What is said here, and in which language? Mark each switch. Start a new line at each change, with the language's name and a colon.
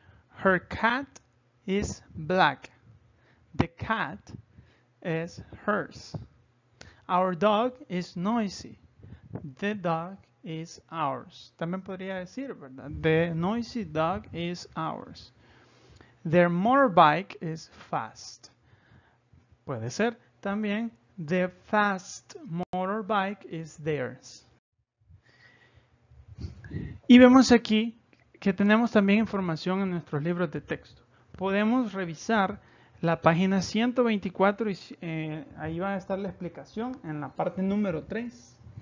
English: Her cat is black. The cat is hers. Our dog is noisy. The dog is ours.
Spanish: También podría decir, ¿verdad?,
English: the noisy dog is ours. Their motorbike is fast.
Spanish: Puede ser también
English: the fast motorbike is theirs.
Spanish: Y vemos aquí que tenemos también información en nuestros libros de texto. Podemos revisar la página 124 y ahí va a estar la explicación en la parte número 3.